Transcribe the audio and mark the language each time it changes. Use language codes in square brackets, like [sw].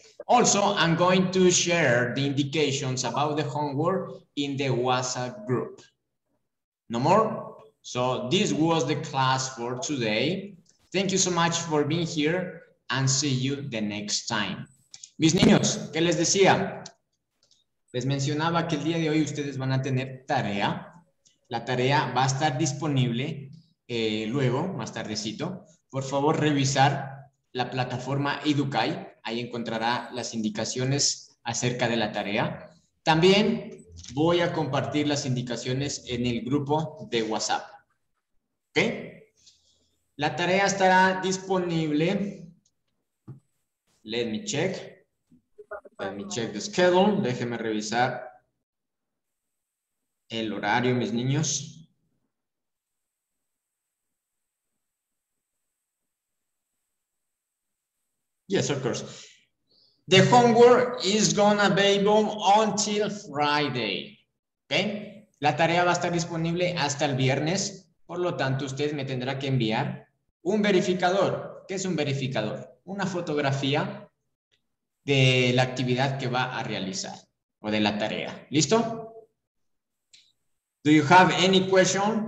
[en] Also, I'm going to share the indications about the homework in the WhatsApp group. No more? So this was the class for today. Thank you so much for being here and see you the next time. [es] Mis niños, ¿qué les decía? Les mencionaba que el día de hoy ustedes van a tener tarea. La tarea va a estar disponible luego, más tardecito. Por favor, revisar la plataforma EduKai. Ahí encontrará las indicaciones acerca de la tarea. También voy a compartir las indicaciones en el grupo de WhatsApp. ¿Ok? La tarea estará disponible. [en] Let me check the schedule. [es] Déjenme revisar el horario, mis niños. [en] Yes, of course. The homework is gonna be available until Friday. Okay? [es] La tarea va a estar disponible hasta el viernes. Por lo tanto, usted me tendrá que enviar un verificador. ¿Qué es un verificador? Una fotografía de la actividad que va a realizar o de la tarea. [en] ¿Listo? Do you have any question?